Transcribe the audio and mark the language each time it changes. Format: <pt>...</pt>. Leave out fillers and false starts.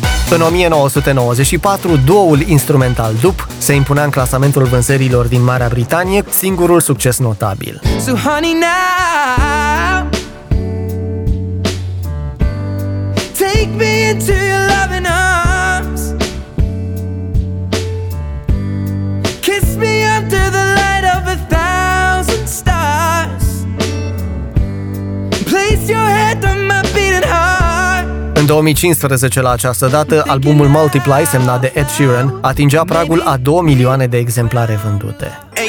<ro>În 1994, duo-ul instrumental Dup se impunea în clasamentul vânzărilor din Marea Britanie, singurul succes notabil.</ro> <en>So honey now, take me into your loving arms, kiss me under the light of a thousand stars, place your head on my beating heart.</en> <ro>În 2015, la această dată, albumul Multiply, semnat de Ed Sheeran, atingea pragul a 2 milioane de exemplare vândute.</ro>